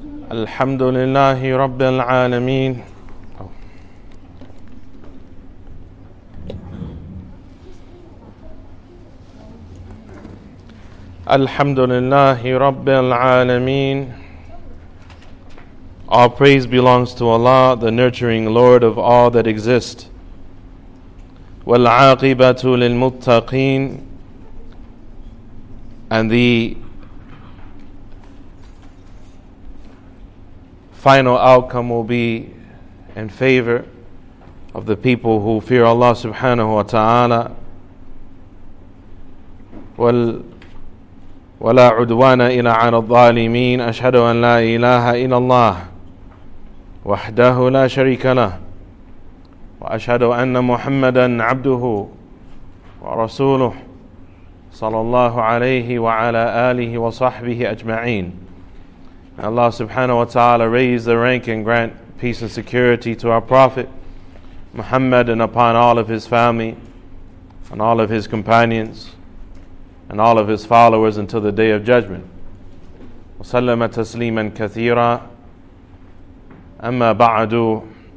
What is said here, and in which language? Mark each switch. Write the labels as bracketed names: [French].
[Arabic] الحمد لله رب العالمين الحمد لله رب العالمين. [English] All praise belongs to Allah, the nurturing Lord of all that exist. [Arabic] والعاقبة للمتقين. [English] And the final outcome will be in favor of the people who fear Allah subhanahu wa ta'ala. [Arabic] ولا عدوان إلا على الظالمين أشهد أن لا إله إلا الله وحده لا شريك له وأشهد أن محمدا عبده ورسوله صلى الله عليه وعلى آله وصحبه أجمعين. [English] Allah subhanahu wa ta'ala raise the rank and grant peace and security to our Prophet Muhammad and upon all of his family and all of his companions and all of his followers until the Day of Judgment. [Arabic] وَسَلَّمَ تَسْلِيمًا كَثِيرًا أَمَّا بَعَدُوا.